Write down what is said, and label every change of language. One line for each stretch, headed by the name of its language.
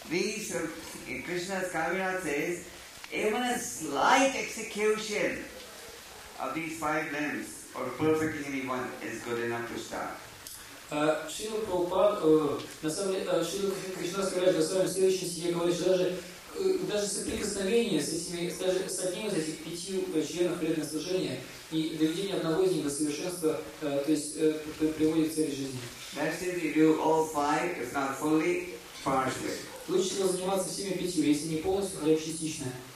English: Krishna's Kaviraj says, even a slight execution of these five limbs, or perfectly anyone, is good enough to start.
Russian: Шрила Прабхупада, на самом деле, Шрила Кришна сказал, что в своем следующем стихе говорит, что даже соприкосновение с одним из этих пяти членов преданного служения и доведение одного из них до совершенства, то есть приводит к цели жизни.
English: That's if you do all five, if not fully, partially.
Russian: Лучше всего заниматься всеми пятью, если не полностью, хотя бы частично.